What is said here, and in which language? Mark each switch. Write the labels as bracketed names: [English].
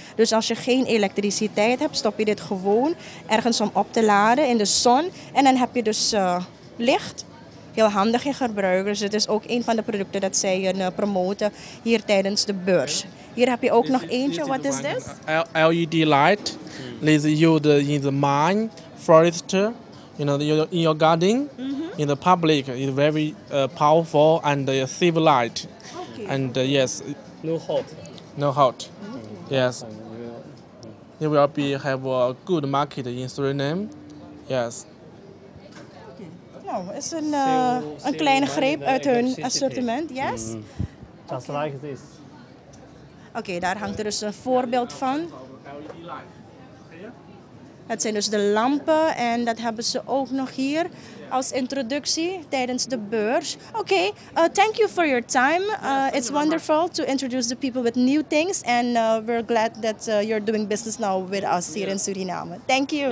[Dutch] Dus als je geen elektriciteit hebt, stop je dit gewoon ergens om op te laden in de zon. En dan heb je dus licht. Heel handig in gebruik. Dus het is ook een van de producten dat zij promoten hier tijdens de beurs. Hier heb je ook nog eentje. Wat is dit? [English] LED light. Is used in the mine, forest, you know, in your garden, in the public. It's very powerful and save light. Okay. And yes. No hot. Mm-hmm. Yes. It will have a good market in Suriname. Yes. [Dutch] Oh, is een kleine greep uit hun assortiment, yes? [English] Mm. Just like this. [Dutch] Oké, daar hangt er dus een voorbeeld van. Het zijn dus de lampen en dat hebben ze ook nog hier als introductie tijdens de beurs. [English] Oké, okay, thank you for your time. It's wonderful to introduce the people with new things. And we're glad that you're doing business now with us here in Suriname. Thank you.